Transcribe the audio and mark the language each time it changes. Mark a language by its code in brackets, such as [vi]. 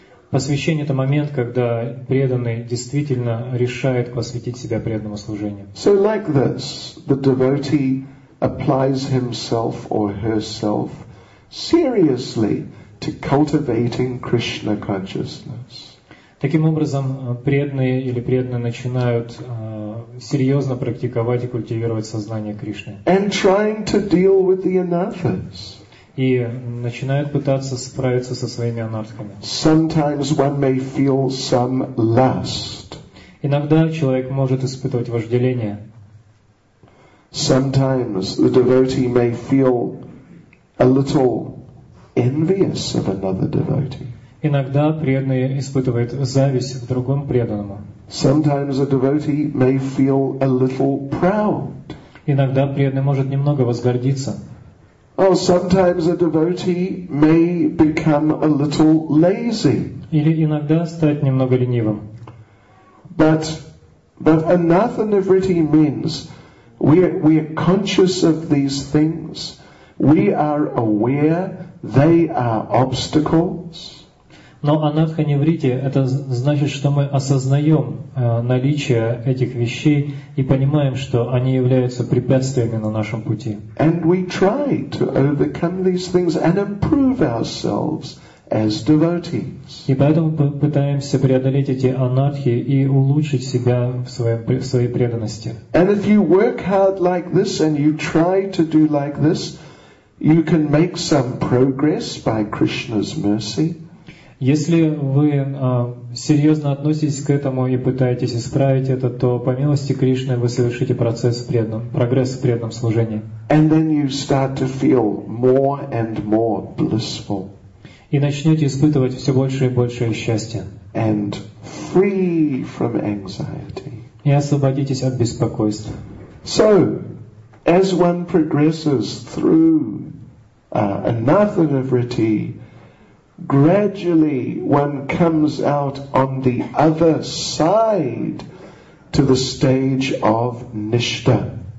[ru] Посвящение — это момент, когда преданный действительно решает посвятить себя преданному служению. [en] So like this, the devotee applies himself or herself seriously to cultivating Krishna consciousness. [ru] Таким образом, преданные или преданные начинают серьезно практиковать и культивировать сознание Кришны. [en] And trying to deal with the anathas. [ru] И начинают пытаться справиться со своими анартхами. [en] Sometimes one may feel some lust. [ru] Иногда человек может испытывать вожделение. [en] Sometimes the devotee may feel a little envious of another devotee. [ru] Иногда преданный испытывает зависть к другому преданному. [en] Sometimes a devotee may feel a little proud. [ru] Иногда преданный может немного возгордиться. [en] Or sometimes a devotee may become a little lazy. [ru] Или иногда стать немного ленивым. [en] But Anathanavritti means we are conscious of these things. We are aware they are obstacles. [ru] Но Анатханавритти это значит, что мы осознаем наличие этих вещей и понимаем, что они являются препятствиями на нашем пути. [en] And we try to overcome these things and improve ourselves as devotees. [ru] И поэтому пытаемся преодолеть эти анатхи и улучшить себя в своей преданности. [en] And if you work hard like this and you try to do like this, you can make some progress by Krishna's mercy. [ru] Если вы серьезно относитесь к этому и пытаетесь исправить это, то по милости Кришны вы совершите прогресс в преданном служении. [en] And then you start to feel more and more blissful. [ru] И начнете испытывать все больше и большее счастье. [en] And free from anxiety. [ru] И освободитесь от беспокойств. [en] So, as one progresses through Anathanavritti, gradually one comes out on the other side to the stage of Nishta.